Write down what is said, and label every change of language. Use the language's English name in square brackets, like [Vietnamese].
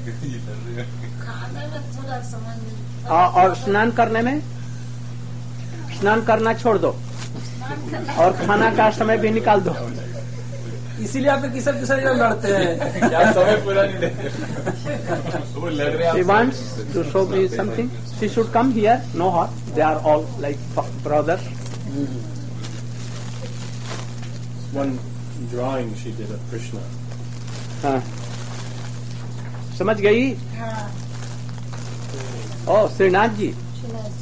[Hindi] खाने में थोड़ा समय मिलता. और स्नान करने में? स्नान करना छोड़ दो और खाना का समय भी निकाल दो. इसीलिए आप किसर किसर लड़ते हैं. [English] He wants to show me something. She should come here. No harm. They are all like brothers. One drawing she did of Krishna. [Hindi] समझ गई? हाँ. ओ श्रीनाथ जी. श्रीनाथ